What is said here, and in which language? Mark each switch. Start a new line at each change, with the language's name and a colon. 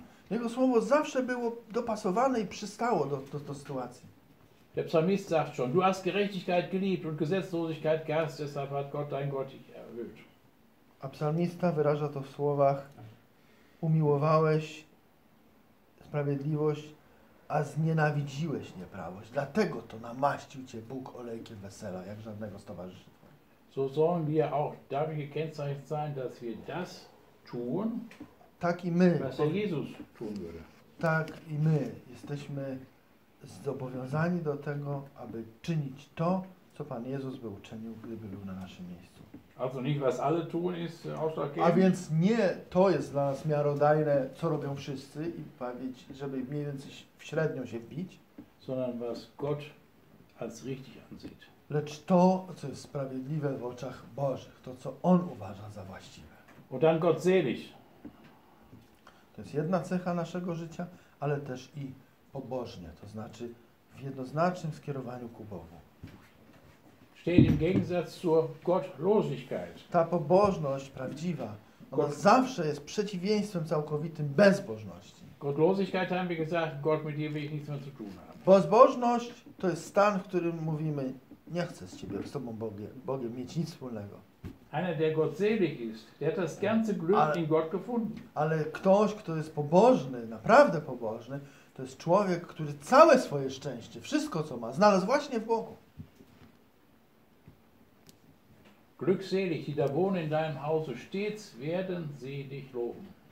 Polish: Jego słowo zawsze było dopasowane i przystało do sytuacji.
German: Der Psalmist sagt schon, du hast Gerechtigkeit geliebt und Gesetzlosigkeit gehasst, deshalb hat Gott dein Gott dich erhöht.
Polish: A psalmista wyraża to w słowach, umiłowałeś sprawiedliwość, a znienawidziłeś nieprawość. Dlatego to namaścił cię Bóg olejkiem wesela, jak żadnego stowarzyszenia.
German: So sollen wir auch dadurch gekennzeichnet sein, dass wir das tun,
Polish: tak i my,
German: was er Jesus tun würde.
Polish: Tak i my jesteśmy zobowiązani do tego, aby czynić to, co Pan Jezus by uczynił, gdyby był na naszym miejscu.
German: Also nicht, was alle tun, ist ausschlaggebend.
Polish: A więc nie to jest dla nas miarodajne, co robią wszyscy, żeby mniej więcej w średnią się wbić,
German: sondern was Gott als richtig ansieht.
Polish: Lecz to, co jest sprawiedliwe w oczach Bożych, to, co On uważa za właściwe.
German: Und dann Gott selig.
Polish: To jest jedna cecha naszego życia, ale też i pobożnie, to znaczy w jednoznacznym skierowaniu ku Bogu.
German: Steht im Gegensatz zur Gottlosigkeit.
Polish: Ta pobożność prawdziwa, ona zawsze jest przeciwieństwem całkowitym bezbożności.
German: Gottlosigkeit haben wir gesagt, Gott mit dir will ich nichts mehr zu tun haben.
Polish: Bezbożność to jest stan, w którym mówimy, nie chcę z Ciebie, z Tobą Bogiem mieć nic wspólnego.
German: Einer, der gottselig ist, der hat das ganze Glück in Gott gefunden.
Polish: Ale ktoś, kto jest pobożny, naprawdę pobożny, to jest człowiek, który całe swoje szczęście, wszystko co ma, znalazł właśnie w Bogu.
German: Glückselig, die da wohnen in deinem Hause, stets werden sie dich loben.